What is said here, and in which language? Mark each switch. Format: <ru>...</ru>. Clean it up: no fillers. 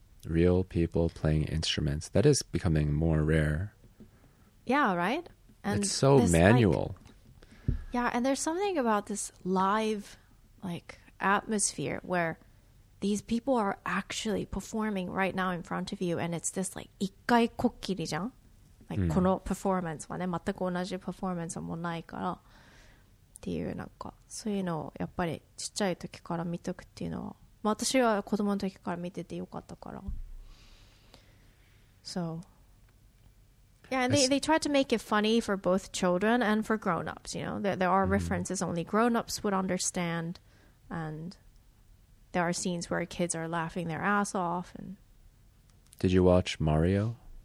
<en>Real people playing instruments. That is becoming more rare. Yeah, right? And it's so manual. Like, yeah, and there's something about this live, like, atmosphere where... These people are actually performing right now in front of you, and it's this like</en> <ja>一回こっきりじゃん。</ja> <en>Like、mm.</en> <ja>このパフォーマンスはね、全く同じパフォーマンスもないから、っていうなんかそういうのをやっぱりちっちゃい時から見とくっていうのは、まあ、私は子供の時から見ててよかったから。</ja> <en>So, yeah, they try to make it funny for both children and for grown-ups. You know, there are references、mm. only grown-ups would understand, and. There are scenes where kids are laughing their ass off. And... Did you watch Mario?</en>